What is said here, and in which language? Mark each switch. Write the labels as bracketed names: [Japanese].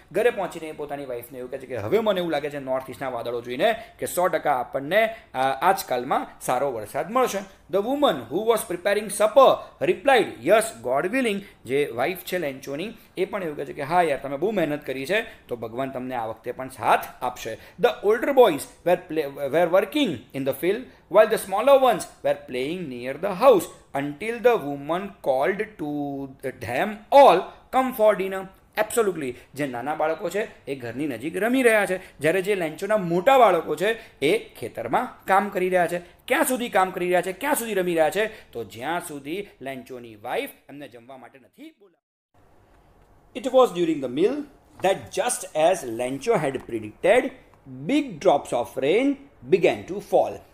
[Gujarati] ઘરે પહોંચીને એ પોતાની વાઇફને એવું કહે છે કે હવે મને એવું લાગે છે નોર્થ ઇસ્ટના વાદળો જોઈને કે 100% આપણને આજકાલમાં સારો વરસાદ મળશે. [English] The woman who was preparing supper replied, yes God willing. [Gujarati] જે વાઇફ છે લેન્ચોની એ પણ એવું કહે છે કે હા યાર, તમે બહુ મહેનત કરી છે તો ભગવાન તમને આ વખતે પણ સાથ આપશે. [English] The older boys were working in the field while the smaller ones were playing near the house until the woman called to them all come for dinner. [Gujarati] Absolutely જે નાના બાળકો છે એ ઘરની નજીક રમી રહ્યા છે, જ્યારે જે લેન્ચોના મોટા બાળકો છે એ ખેતરમાં કામ કરી રહ્યા છે. ક્યાં સુધી કામ કરી રહ્યા છે, ક્યાં સુધી રમી રહ્યા છે, તો જ્યાં સુધી લેન્ચોની વાઇફ એમને જમવા માટે નથી બોલાવી. [English] It was during the meal that just as Lencho had predicted big drops of rain began to fall.